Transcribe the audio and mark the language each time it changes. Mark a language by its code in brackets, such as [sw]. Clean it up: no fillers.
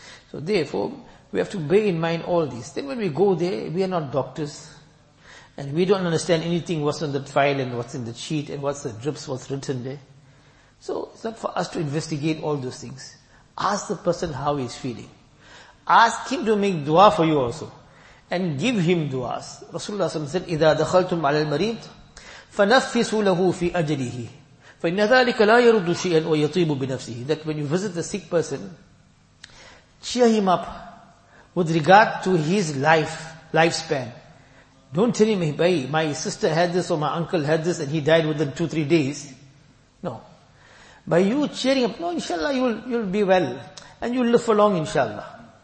[en] So therefore, we have to bear in mind all these. Then when we go there, we are not doctors, and we don't understand anything what's on that file and what's in the sheet and what's the drips, what's written there. So it's not for us to investigate all those things. Ask the person how he's feeling. Ask him to make dua for you also. And give him du'as. [ar] Rasulullah said, إِذَا دَخَلْتُمْ عَلَى الْمَرِيدِ فَنَفِّسُوا لَهُ فِي أَجَلِهِ فَإِنَّ ذَلِكَ لَا يَرُدُّ شِيئًا وَيَطِيبُ بِنَفْسِهِ. [en] That when you visit the sick person, cheer him up with regard to his lifespan. Don't tell him, hey, my sister had this or my uncle had this and he died within 2-3 days. No. By you cheering up, no, inshallah, you'll be well. And you'll live for long, inshallah.